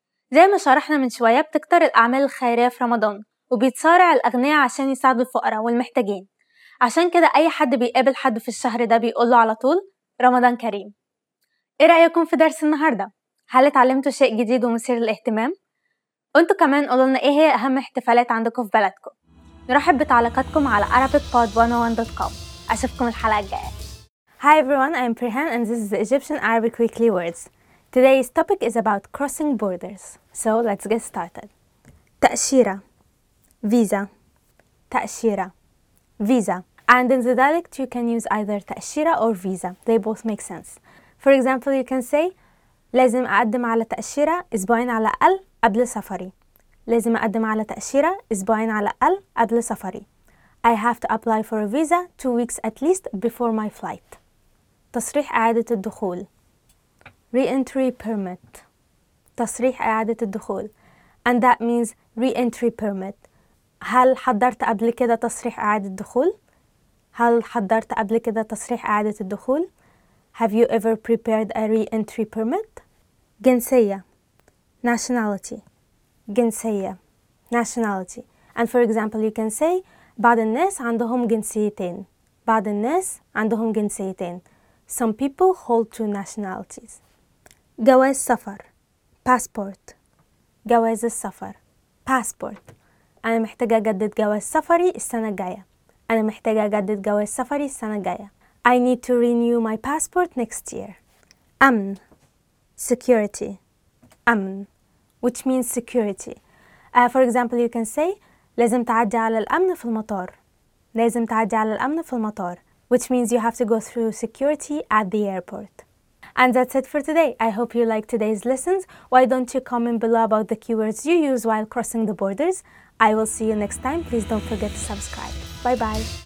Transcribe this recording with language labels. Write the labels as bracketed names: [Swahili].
[Arabic] زي ما شرحنا من شوية بتكتر الأعمال الخيرية في رمضان، وبيتصارع الأغنياء عشان يساعدوا الفقراء والمحتاجين، عشان كده أي حد بيقابل حد في الشهر ده بيقوله على طول رمضان كريم. إيه رأيكم في درس النهاردة؟ هل اتعلمتوا شيء جديد ومثير للاهتمام؟ وانتوا كمان قولولنا ايه هي اهم احتفالات عندكم في بلدكم. نرحب بتعليقاتكم على arabicpod101.com. اشوفكم الحلقة الجاية. [English] Hi everyone, I'm Prihan and this is the Egyptian Arabic Weekly Words. Today's topic is about crossing borders. So let's get started. [Arabic] تأشيرة فيزا تأشيرة فيزا. [English] And in the dialect you can use either تأشيرة or visa. They both make sense. For example, you can say [Arabic] لازم أقدم على تأشيرة أسبوعين على الأقل قبل سفري. لازم أقدم على تأشيرة أسبوعين على الأقل قبل سفري. [English] I have to apply for a visa 2 weeks at least before my flight. [Arabic] تصريح إعادة الدخول. [English] Re-entry permit. [Arabic] تصريح إعادة الدخول. [English] And that means re-entry permit. [Arabic] هل حضرت قبل كده تصريح إعادة الدخول؟ هل حضرت قبل كده تصريح إعادة الدخول؟ [English] Have you ever prepared a re-entry permit? [Arabic] جنسية nationality. جنسية nationality. [English] And for example, you can say [Arabic] بعض الناس عندهم جنسيتين. بعض الناس عندهم جنسيتين. [English] Some people hold two nationalities. [Arabic] جواز سفر passport. جواز السفر passport. أنا محتاجة أجدد جواز سفري السنة الجاية. أنا محتاجة أجدد جواز سفري السنة الجاية. [English] I need to renew my passport next year. [Arabic] أمن security. [English] أمن which means security. For example, you can say [Arabic] لازم تعدي على الأمن في المطار. لازم تعدي على الأمن في المطار [English] which means you have to go through security at the airport. And that's it for today. I hope you liked today's lessons. Why don't you comment below about the keywords you use while crossing the borders? I will see you next time. Please don't forget to subscribe. Bye-bye.